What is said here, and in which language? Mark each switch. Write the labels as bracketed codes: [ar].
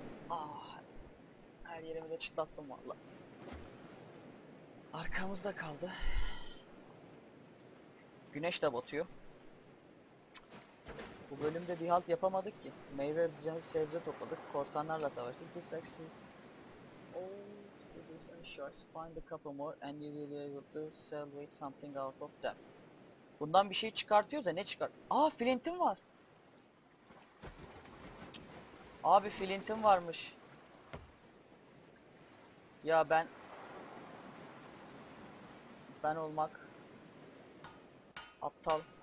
[tr] Ah, her yerimi de çıtlattım valla. Arkamızda kaldı. Güneş de batıyor. Bu bölümde bir halt yapamadık ki. Meyve ve sebze topladık. Korsanlarla savaştık. [en] This axis always produces and shards. Find a couple more and you will be able to salvage something out of them. [tr] Bundan bir şey çıkartıyor da ne çıkar? Aa, flintim var. Abi flintim varmış. Ya ben olmak aptal.